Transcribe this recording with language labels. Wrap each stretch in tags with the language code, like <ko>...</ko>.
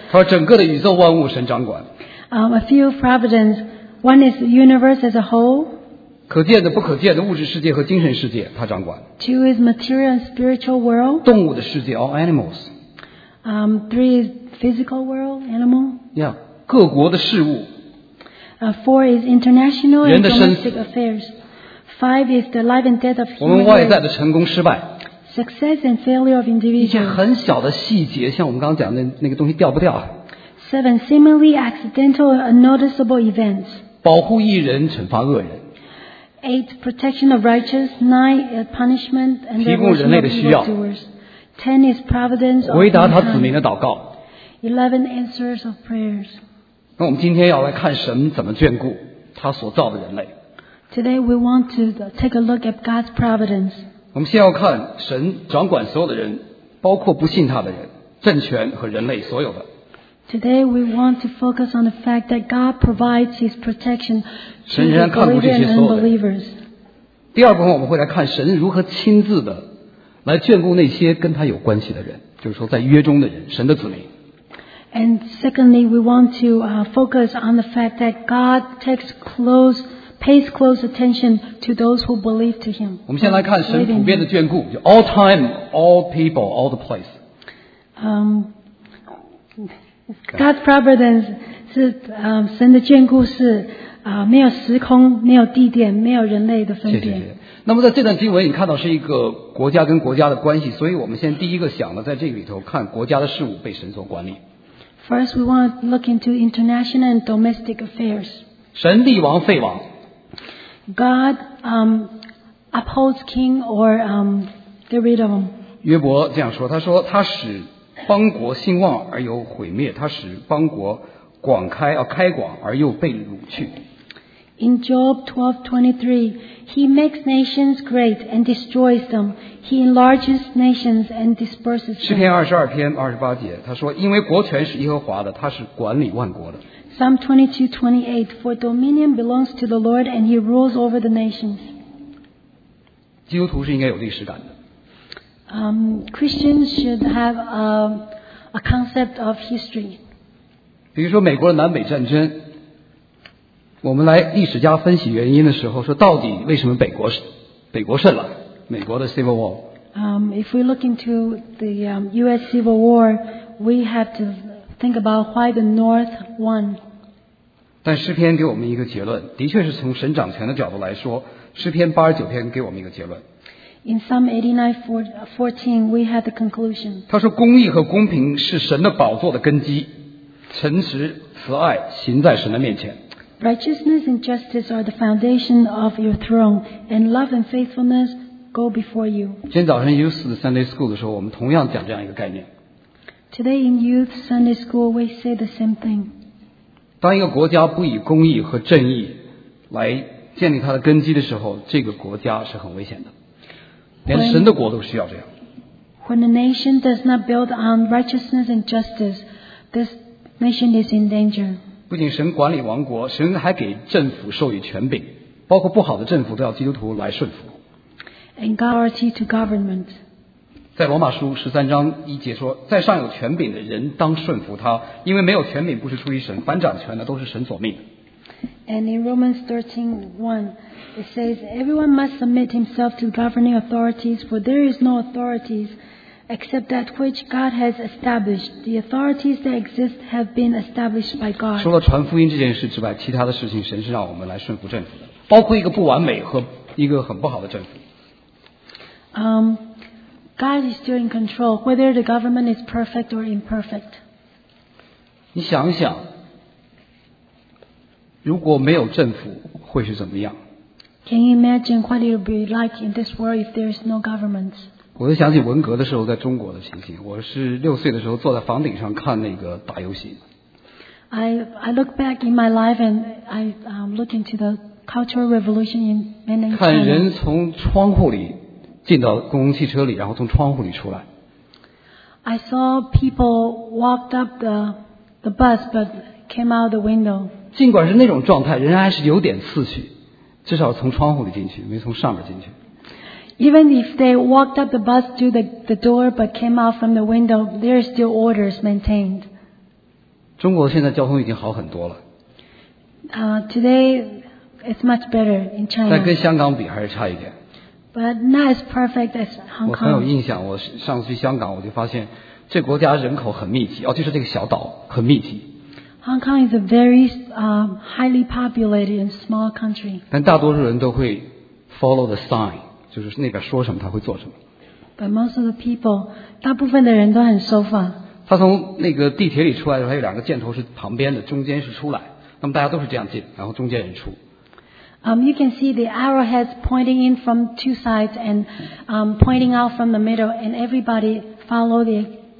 <zh>他说整个的宇宙万物神掌管。</zh> <en>A few providence. One is the universe as a whole.</en> <zh>可见的、不可见的物质世界和精神世界，他掌管。</zh> <en>Two is material and spiritual world.</en> <zh>动物的世界 ，</zh> <en>all animals. Three is physical world, animal.</en> <zh>Yeah, 各国的事物。</zh> <en>Four is international and domestic affairs. Five is the life and death of humans.</en> <zh>我们外在的成功失败。</zh> <en>Success and failure of individuals.</en> <zh>一些很小的细节，像我们刚刚讲的那个东西掉不掉。</zh> <en>Seven, seemingly accidental or unnoticeable events.</en> <zh>保护义人，惩罚恶人。</zh> <en>Eight, protection of righteous. Nine, punishment and the punishment of evil doers. 10 is providence of</en> <zh>回答他子民的祷告。</zh> <en>11 answers of prayers.</en> <zh>那我们今天要来看神怎么眷顾他所造的人类。</zh> <en>Today we want to take a look at God's providence.</en> <zh>我们先要看神掌管所有的人，包括不信他的人，政权和人类所有的。</zh> <en>Today we want to focus on the fact that God provides His protection to the believers and unbelievers.</en> <zh>第二部分我们会来看神如何亲自的。来眷顾那些跟他有关系的人，就是说在约中的人，神的子民。</zh> <en>And secondly, we want to focus on the fact that God takes pays close attention to those who believe to Him.</en> <zh>我们先来看神普遍的眷顾，就</zh> <en>all time, all people, all the place. God's providence</en> <zh>是神的眷顾是没有时空，没有地点，没有人类的分别。谢谢那么在这段经文你看到是一个国家跟国家的关系，所以我们先第一个想的在这里头看国家的事务被神所管理。</zh> <en>First, we want to look into international and domestic affairs.</en> <zh>神立王废王。</zh> <en>God upholds king or get rid of him.</en> <zh>约伯这样说，他说他使邦国兴旺而又毁灭，他使邦国广开开广而又被掳去。</zh> <en>In Job 12:23, he makes nations great and destroys them. He enlarges nations and disperses them.</en> <zh>诗篇22:28，他说：“因为国权是耶和华的，他是管理万国的。”</zh> <en>Psalm 22:28, for dominion belongs to the Lord and He rules over the nations.</en> <zh>基督徒是应该有历史感的。</zh> <en>Christians should have a concept of history.</en> <zh>比如说美国的南北战争。我们来历史家分析原因的时候，说到底为什么美国胜了美国的 Civil War？</zh> <en>If we look into the U.S. Civil War, we have to think about why the North won.</en> <zh>但诗篇给我们一个结论，的确是从神掌权的角度来说，诗篇八十九篇给我们一个结论。</zh> <en>In Psalm 89:14, we had the conclusion.</en> <zh>他说公义和公平是神的宝座的根基，诚实慈爱行在神的面前。</zh> <en>Righteousness and justice are the foundation of your throne, and love and faithfulness go before you.</en> <zh>今天早上 Youth Sunday School 的时候，我们同样讲这样一个概念。</zh> <en>Today in Youth Sunday School, we say the same thing.</en> <zh>当一个国家不以公义和正义来建立它的根基的时候，这个国家是很危险的。连神的国都需要这样。</zh> <en>When a nation does not build on righteousness and justice, this nation is in danger.</en> <zh>不仅神管理王国，神还给政府授予权柄，包括不好的政府都要基督徒来顺服。</zh> <en>And authority to government.</en> <zh>在罗马书十三章一节说，在上有权柄的人当顺服他，因为没有权柄不是出于神，凡掌权的都是神所命的。</zh> <en>And in Romans 13:1, it says, Everyone must submit himself to governing authorities, for there is no authorities except that which God has established. The authorities that exist have been established by God.</en> <zh>除了传福音这件事之外，其他的事情神是让我们来顺服政府的，包括一个不完美和一个很不好的政府。</zh> <en>God is still in control, whether the government is perfect or imperfect.</en> <zh>你想一想，如果没有政府会是怎么样？</zh> <en>Can you imagine what it would be like in this world if there is no government?</en> <zh>我就想起文革的时候在中国的情形。我是六岁的时候坐在房顶上看那个打游戏。</zh> <en>I look back in my life and I look into the Cultural Revolution in mainland China.</en> <zh>看人从窗户里进到公共汽车里，然后从窗户里出来。</zh> <en>I saw people walked up the bus but came out the window.</en> <zh>尽管是那种状态，仍然还是有点次序，至少从窗户里进去，没从上面进去。</zh> <en>Even if they walked up the bus to the door but came out from the window, there are still orders maintained.</en> <zh>中国现在交通已经好很多了。</zh> <en>Today it's much better in China.</en> <zh>但跟香港比还是差一点。</zh> <en>But not as perfect as Hong Kong.</en> <zh>我很有印象，我上次去香港，我就发现这国家人口很密集，就是这个小岛很密集。</zh> <en>Hong Kong is a very highly populated and small country.</en> <zh>但大多数人都会</zh> <en>follow the sign,</en> <zh>就是那边说什么他会做什么。</zh> <en>But most of the people,</en> <zh>大部分的人都很守法。他从那个地铁里出来的时候，他有两个箭头是旁边的，中间是出来。那么大家都是这样进，然后中间人出。</zh> <en>You can see the arrowheads pointing in from two sides and pointing out from the middle, and everybody follow the.</en>